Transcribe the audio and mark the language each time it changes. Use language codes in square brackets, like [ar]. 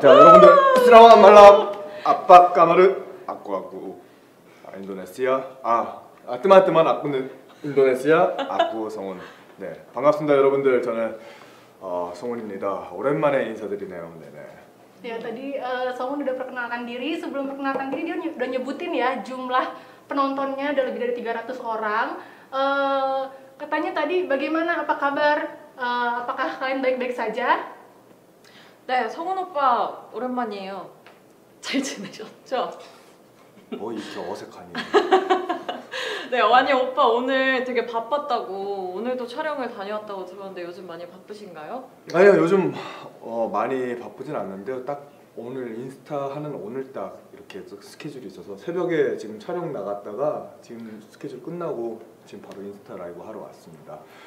[ko] 자, 여러분들, [id] 슬라만 말람, 아빠 까마르, 아꾸 아꾸, 인도네시아, 뜨만뜨만 아꾸는 인도네시아, 아꾸 성훈. [ko] 네, 반갑습니다, 여러분들. 저는 성훈입니다. 오랜만에 인사드리네요. 네, 네. [id] Ya tadi Songun udah perkenalkan diri. Sebelum perkenalkan diri dia udah nyebutin ya jumlah penontonnya udah lebih dari 300 orang. Katanya tadi bagaimana? Apa kabar? Apakah kalian baik-baik saja? [ko] 네, 성훈 오빠 오랜만이에요. 잘 지내셨죠? 뭐 이렇게 어색하니? 네, 아니 오빠 오늘 되게 바빴다고 오늘도 촬영을 다녀왔다고 들었는데 요즘 많이 바쁘신가요? 아니요, 요즘 많이 바쁘진 않는데요. 딱 오늘 인스타 하는 오늘 딱 이렇게 스케줄이 있어서 새벽에 지금 촬영 나갔다가 지금 스케줄 끝나고 지금 바로 인스타 라이브 하러 왔습니다.